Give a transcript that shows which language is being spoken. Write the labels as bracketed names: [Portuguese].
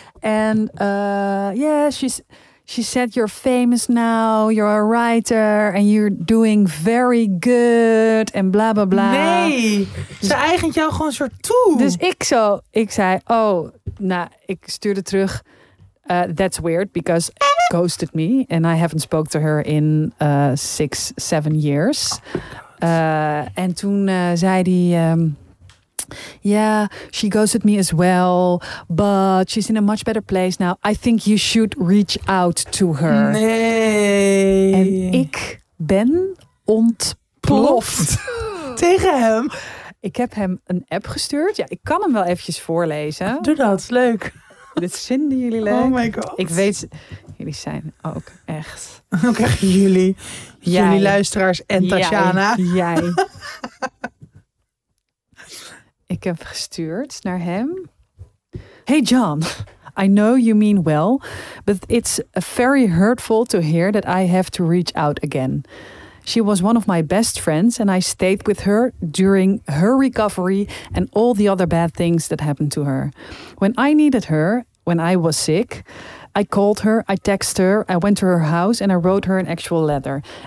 [English] And yeah, she said you're famous now. You're a writer. And you're doing very good. [Dutch] En bla bla bla. Nee, ze eigent jou gewoon soort toe. Dus ik zei... Oh, nou, ik stuurde terug... [English] that's weird, because... ghosted me and I haven't spoken to her in 6-7 years. [Dutch] En toen zei die [English] yeah, she ghosted me as well, but she's in a much better place now. I think you should reach out to her. [Dutch] Nee. En ik ben ontploft. Tegen hem. Ik heb hem een app gestuurd. Ja, ik kan hem wel eventjes voorlezen. Doe dat, leuk. Dit vinden jullie leuk. [English] Oh my god. [Dutch] Ik weet, jullie zijn ook echt. Ook echt jullie. Jij. Jullie luisteraars en Tatjana. Jij. Ik heb gestuurd naar hem. [English] Hey John, I know you mean well, but it's very hurtful to hear that I have to reach out again. She was one of my best friends and I stayed with her during her recovery and all the other bad things that happened to her. When I needed her, when I was sick, I called her, I texted her, I went to her house and I wrote her an actual letter.